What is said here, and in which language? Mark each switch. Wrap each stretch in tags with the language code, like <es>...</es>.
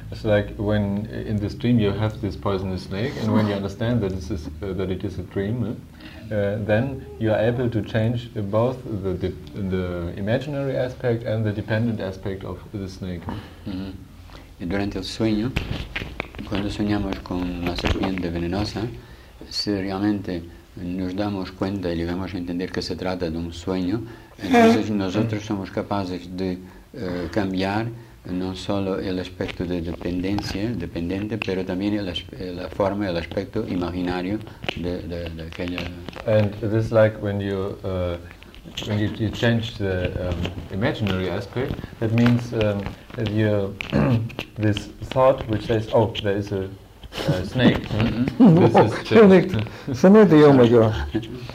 <en>It's like when in this dream you have this poisonous snake, and when you understand that this is that it is a dream, then you are able to change both the imaginary aspect and the dependent aspect of the snake.</en> <es>Mm-hmm. Y durante el sueño, cuando soñamos con la serpiente venenosa, si realmente nos damos cuenta y llegamos a entender que se trata de un sueño, entonces nosotros somos capaces de cambiar no solo el aspecto de dependencia, dependiente, pero también la forma, el aspecto imaginario de aquella.</es> <en>And this is like when you change the imaginary aspect, that means that you this thought which says, oh, there is a snake. Mm-hmm. This is snake. Snake, the</en>